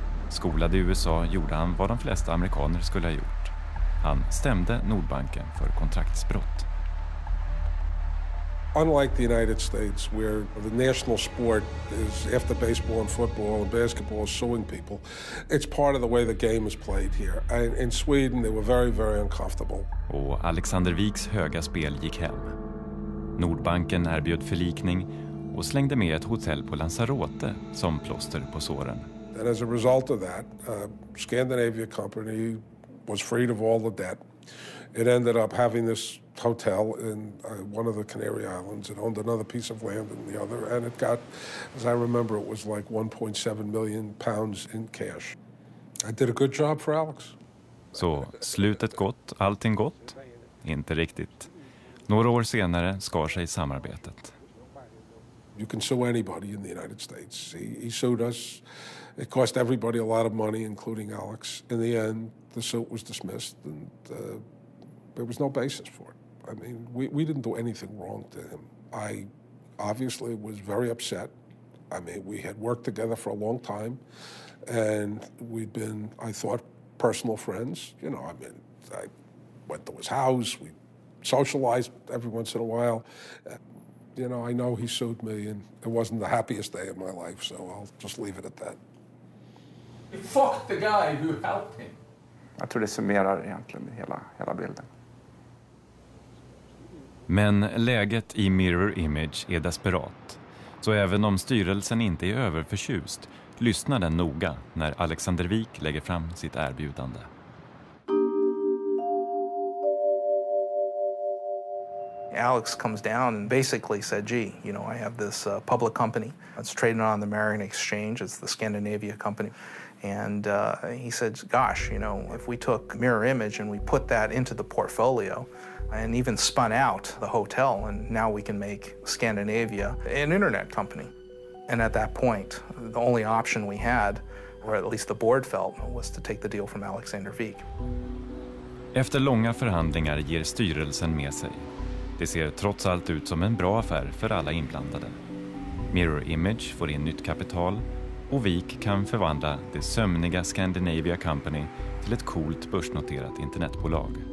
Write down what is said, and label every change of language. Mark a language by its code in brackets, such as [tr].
[sv] Skolad i USA gjorde han vad de flesta amerikaner skulle ha gjort. Han stämde Nordbanken för kontraktsbrott. [en] unlike the United States, where the national sport is, after baseball and football and basketball, is suing people, it's part of the way the game is played here. And in Sweden, they were very, very uncomfortable. [sv] Och Alexander Wiks höga spel gick hem. Nordbanken erbjöd förlikning och slängde med ett hotell på Lanzarote som plåster på såren. [en] And as a result of that, Scandinavia Company was freed of all the debt. It ended up having this hotel in one of the Canary Islands. It owned another piece of land in the other, and it got, as I remember, it was like 1.7 million pounds in cash. I did a good job for Alex. [sv] Så, slutet gott, allting gott? Inte riktigt. Några år senare skar sig samarbetet. [en] You can sue anybody in the United States. He sued us. It cost everybody a lot of money, including Alex. In the end, the suit was dismissed, and there was no basis for it. I mean, we didn't do anything wrong to him. I obviously was very upset. I mean, we had worked together for a long time, and we'd been, I thought, personal friends. You know, I mean, I went to his house. We socialized every once in a while. You know, I know he sued me, and it wasn't the happiest day of my life, so I'll just leave it at that. Fuck the guy who helped him. [sv] Jag tror det summerar egentligen hela bilden. Men läget i Mirror Image är desperat. Så även om styrelsen inte är överförtjust, lyssnar den noga när Alexander Wik lägger fram sitt erbjudande. [en] Alex comes down and basically said, gee, you know, I have this public company. It's trading on the American Exchange. It's the Scandinavia company. And he said, gosh, you know, if we took Mirror Image and we put that into the portfolio and even spun out the hotel, and now we can make Scandinavia an internet company. And at that point, the only option we had, or at least the board felt, was to take the deal from Alexander Wik. [sv] Efter långa förhandlingar ger styrelsen med sig. Det ser trots allt ut som en bra affär för alla inblandade. Mirror Image får in nytt kapital, och Wik kan förvandla det sömniga Scandinavia Company till ett coolt börsnoterat internetbolag.